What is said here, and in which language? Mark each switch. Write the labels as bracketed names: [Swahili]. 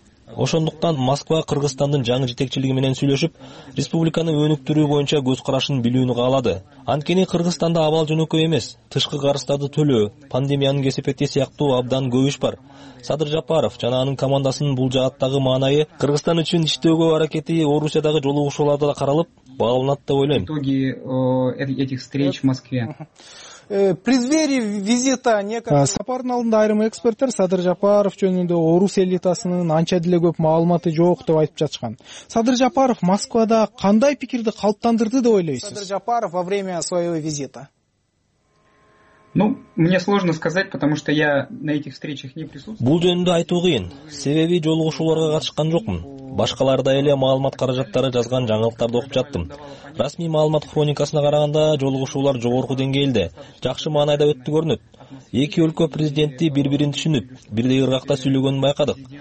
[Kyrgyz] Ошондуктан Москва Кыргызстандын жаңы жетекчилиги менен сүйлөшүп, республиканы өнүктүрүү боюнча көз карашын билүүнү каалады. Анткени Кыргызстанда абал жөнөкөй эмес, тышкы карыздарды төлөө, пандемиянын кесепети сыяктуу абдан көп иш бар. Садыр Жапаров жана анын командасынын бул жааттагы маанайы, Кыргызстан үчүн иштөөгө аракети Орусиядагы жолугушууларда да каралып, баалынат деп ойлойм. [Russian] Итоги этих встреч в Москве. [Kyrgyz] Сапардын алдында айрым эксперттер Садыр Жапаров жөнүндө орус элитасынын анча деле көп маалыматы жок деп айтып жатышкан. Садыр Жапаров Москвада кандай пикирди калыптандырды деп ойлойсуз? [Russian] Садыр Жапаров во время своего визита. Ну, мне сложно сказать, потому что я на этих встречах не присутствовал. [Kyrgyz] Бул жөнүндө айтуу кыйын. Себеби жолугушууларга катышкан жокмун. Башкаларда эле маалымат каражаттары жазган жаңылыктарды окуп жаттым. Расмий маалымат хроникасына караганда жолугушуулар жогорку деңгээлде, жакшы маанайда өттү көрүнөт. Эки өлкө президенти бири-бирин түшүнүп, бирдей ыргакта сүйлөгөнүн байкадык.